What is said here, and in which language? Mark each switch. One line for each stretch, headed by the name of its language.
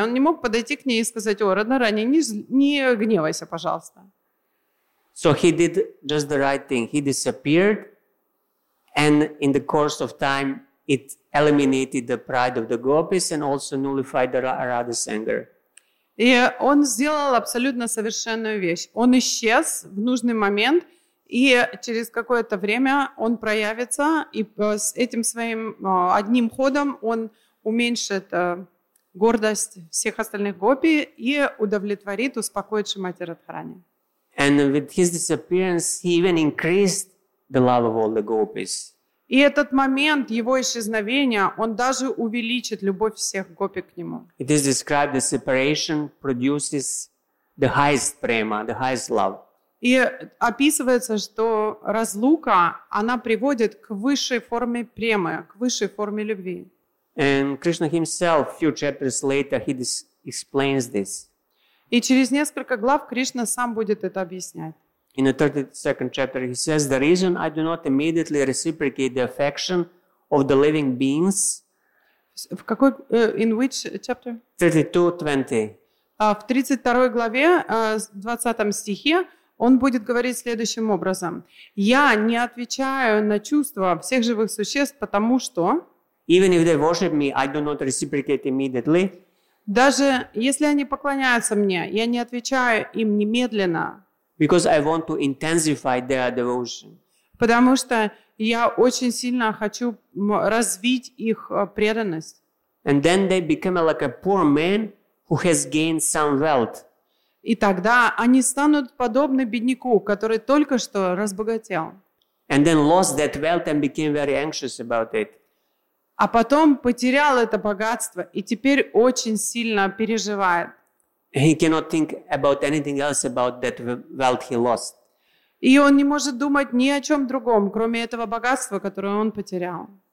Russian: Он не мог подойти к ней и сказать, о, Радхарани, не гневайся, пожалуйста.
English: So he did just the right thing. He disappeared, and in the course of time, it eliminated the pride of the gopis and also nullified the Radha's anger.
Russian: И он сделал абсолютно совершенную вещь. Он исчез в нужный момент, и через какое-то время он проявится, и с этим своим одним ходом он уменьшит гордость всех остальных гопи и удовлетворит, успокоит Шримати Радхарани.
English: And with his disappearance, he even increased the love of all the gopis.
Russian: И этот момент его исчезновения, он даже увеличит любовь всех гопи к нему.
English: It is described that separation produces the highest prema, the highest love.
Russian: И описывается, что разлука, она приводит к высшей форме премы, к высшей форме любви.
English: And Krishna himself, few chapters later, he explains this.
Russian: И через несколько глав Кришна сам будет это объяснять.
English: In the 32nd chapter, he says, the reason I do not immediately reciprocate the affection of the living beings...
Russian: В какой,
English: in which chapter? 32:20.
Russian: В 32 главе, в 20 стихе, он будет говорить следующим образом. Я не отвечаю на чувства всех живых существ, потому что...
English: Even if they worship me, I do not reciprocate immediately.
Russian: Даже если они поклоняются мне, я не отвечаю им немедленно.
English: Because I want to intensify their devotion.
Russian: Потому что я очень сильно хочу развить их преданность.
English: And then they become like a poor man who has gained some wealth.
Russian: И тогда они станут подобны бедняку, который только что разбогател.
English: And then lost that wealth and became very anxious about it.
Russian: А потом потерял это богатство и теперь очень сильно переживает.
English: He cannot think about anything else about that wealth he lost.
Russian: И он не может думать ни о чем другом, кроме этого богатства, которое он потерял.